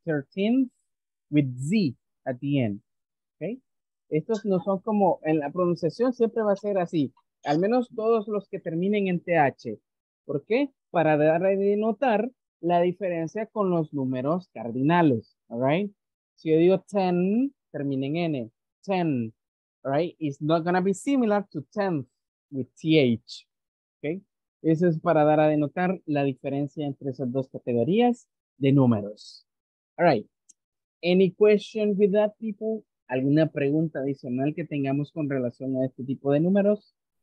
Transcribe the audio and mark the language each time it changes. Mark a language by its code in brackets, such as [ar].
[en] 13th, with Z at the end. Okay? [es] Estos no son como, en la pronunciación siempre va a ser así. Al menos todos los que terminen en TH. ¿Por qué? Para dar a denotar la diferencia con los números cardinales. [en] All right? [es] Si yo digo 10, termina en N. 10. [en] Right, it's not going to be similar to 10th with TH. [es] Okay, eso es para dar a denotar la diferencia entre esas dos categorías de números. [en] All right, any question with that, people? [es] ¿Alguna pregunta adicional que tengamos con relación a este tipo de números?